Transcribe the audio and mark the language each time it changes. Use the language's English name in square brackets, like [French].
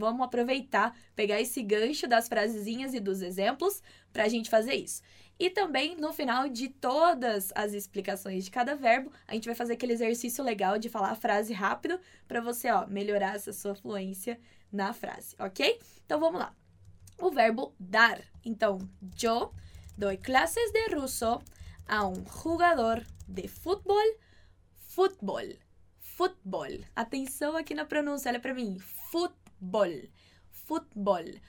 [Portuguese] Vamos aproveitar, pegar esse gancho das frasezinhas e dos exemplos para a gente fazer isso. E também, no final de todas as explicações de cada verbo, a gente vai fazer aquele exercício legal de falar a frase rápido para você, ó, melhorar essa sua fluência na frase, ok? Então, vamos lá. O verbo dar. [Spanish] Então, yo doy clases de ruso a un jugador de fútbol. Fútbol. Fútbol. [Portuguese] Atenção aqui na pronúncia, olha para mim. Fútbol. Fútbol.